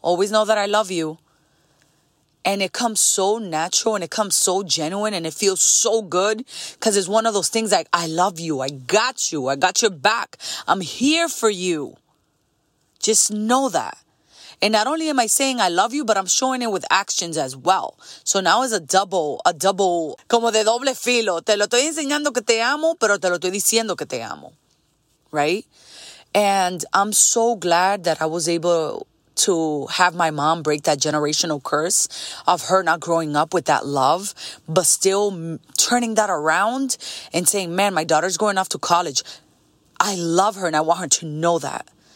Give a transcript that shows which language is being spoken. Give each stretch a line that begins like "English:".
English: Always know that I love you. And it comes so natural and it comes so genuine and it feels so good because it's one of those things like, I love you. I got you. I got your back. I'm here for you. Just know that. And not only am I saying I love you, but I'm showing it with actions as well. So now is a double,
Spanish: como de doble filo. Te lo estoy enseñando que te amo, pero te lo estoy diciendo que te amo.
English: Right? And I'm so glad that I was able to have my mom break that generational curse of her not growing up with that love, but still turning that around and saying, man, my daughter's going off to college. I love her and I want her to know that.